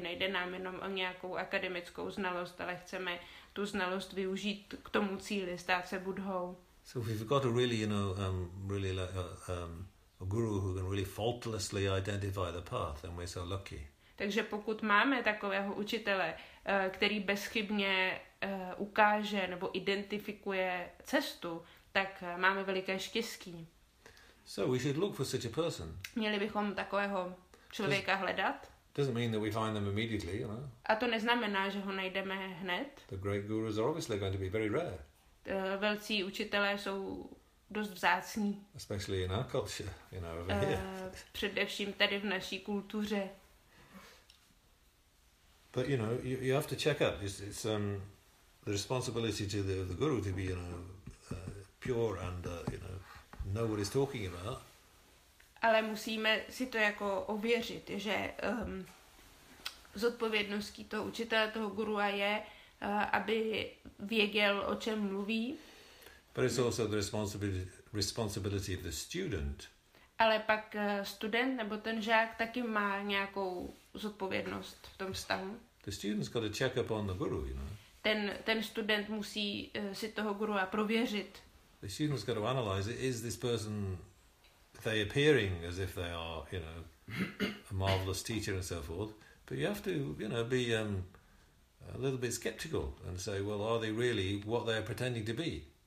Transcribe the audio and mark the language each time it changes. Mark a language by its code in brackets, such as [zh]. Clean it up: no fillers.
[cs] Nejde nám jenom o nějakou akademickou znalost, ale chceme tu znalost využít k tomu cíli, stát se Buddhou. [en] So we've got a really, you know, really like a guru who can really faultlessly identify the path, and we're so lucky. [cs] Takže pokud máme takového učitele, který bezchybně ukáže nebo identifikuje cestu, tak máme veliké štěstí. [en] So we should look for such a person. [cs] Měli bychom takového člověka hledat. [en] Doesn't mean that we find them immediately, you know. [cs] A to neznamená, že ho najdeme hned. [en] The great gurus are obviously going to be very rare. [cs] Velcí učitelé jsou dost vzácní. [en] Especially in our culture, you know, over here. [cs] Především tady v naší kultuře. [en] But you know, you have to check up. It's the responsibility to the guru to be, you know, pure and you know what he's talking about. [cs] Ale musíme si to jako ověřit, že zodpovědností toho učitele, toho gurua je, aby věděl, o čem mluví. [en] But it's also the responsibility of the student. [cs] Ale pak student nebo ten žák taky má nějakou zodpovědnost v tom vztahu. [en] The student's got to check up on the guru, you know. [cs] Ten student musí si toho gurua prověřit. [en] The student's got to analyze it. Is this person, they appearing as if they are, you know, a marvelous teacher and so forth? But you have to, you know, be a little bit skeptical and say, well, are they really what they're pretending to be?